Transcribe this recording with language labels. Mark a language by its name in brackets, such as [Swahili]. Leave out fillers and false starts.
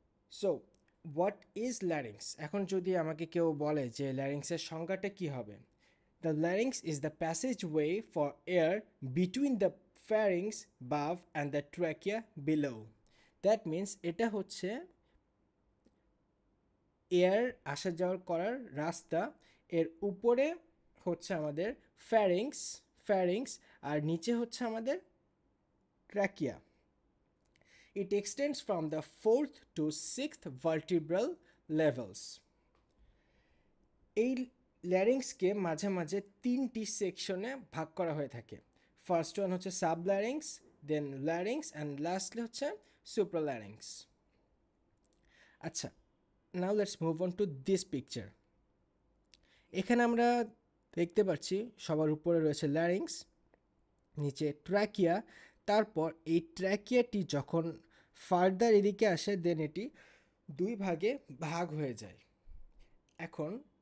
[English] So What is larynx? [Bangla] এখন যদি আমাকে কেউ বলে যে ল্যারিংসের সংজ্ঞাটা কী হবে, [English] The larynx is the passage way for air between the pharynx above and the trachea below. [Bangla] That means এটা হচ্ছে এয়ার আসা যাওয়ার করার রাস্তা। এর উপরে হচ্ছে আমাদের ফ্যারিংস, আর নিচে হচ্ছে আমাদের trachea. [English] It extends from the 4th to 6th vertebral levels. [Bangla] এই ল্যারিংসকে মাঝে মাঝে তিনটি সেকশনে ভাগ করা হয়ে থাকে। ফার্স্ট ওয়ান হচ্ছে sub larynx, then larynx, and lastly হচ্ছে সুপ্রা ল্যারিংস। আচ্ছা, [English] Now let's move on to this picture. [Bangla] এখানে আমরা দেখতে পাচ্ছি সবার উপরে রয়েছে ল্যারিংস, নিচে ট্র্যাকিয়া, তারপর এই ট্র্যাকিয়াটি যখন ফার্দার এদিকে আসে দেন এটি দুই ভাগে ভাগ হয়ে যায়। এখন